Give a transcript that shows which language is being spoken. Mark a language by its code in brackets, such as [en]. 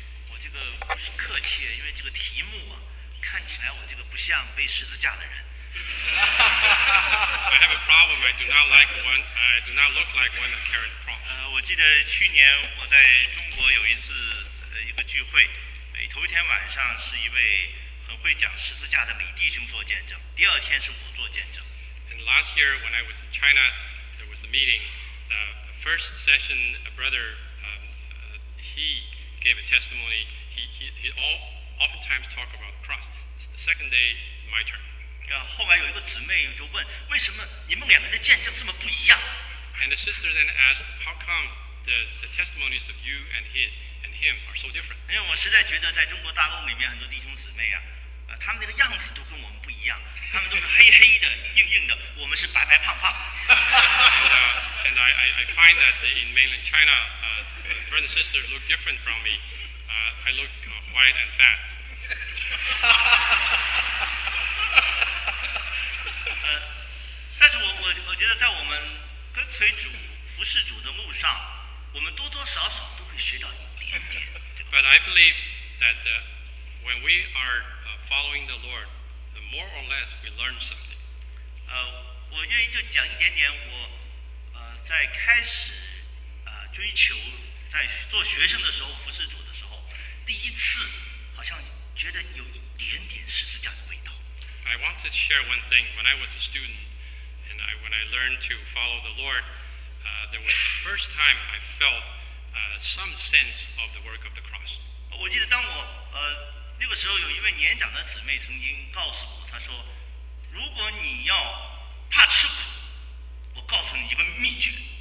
[zh] 我这个不是客气，因为这个题目啊，看起来我这个不像背十字架的人。 [en] I have a problem. I do not like one. I do not look like one that carries the cross. [zh] 我记得去年我在中国有一次一个聚会，头一天晚上是一位很会讲十字架的李弟兄做见证，第二天是我做见证。 [en] Last year, when I was in China, there was a meeting. The first session, a brother, he gave a testimony. He oftentimes talk about the cross. The second day, my turn. [zh] 后来有一个姊妹就问，为什么你们两个的见证这么不一样？ [en] And the sister then asked, how come the testimonies of you and his and him are so different? [zh] 因为我实在觉得在中国大陆里面很多弟兄姊妹啊。他们那个样子都跟我们不一样，他们都是黑黑的、硬硬的，我们是白白胖胖。 [en] And I find that in mainland China, brothers and sisters look different from me. I look white and fat. [zh] 但是我觉得在我们跟随主、服侍主的路上，我们多多少少都会学到一点点。 [en] But I believe that when we are following the Lord, the more or less we learn something. [zh] 我愿意就讲一点点我在开始追求在做学生的时候服侍主的时候第一次好像觉得有一点点十字架的味道。 [en] I want to share one thing. When I was a student and when I learned to follow the Lord, there was the first time I felt some sense of the work of the cross. [zh] 我记得当我那个时候有一位年长的姊妹曾经告诉我，她说，如果你要怕吃苦，我告诉你一个秘诀。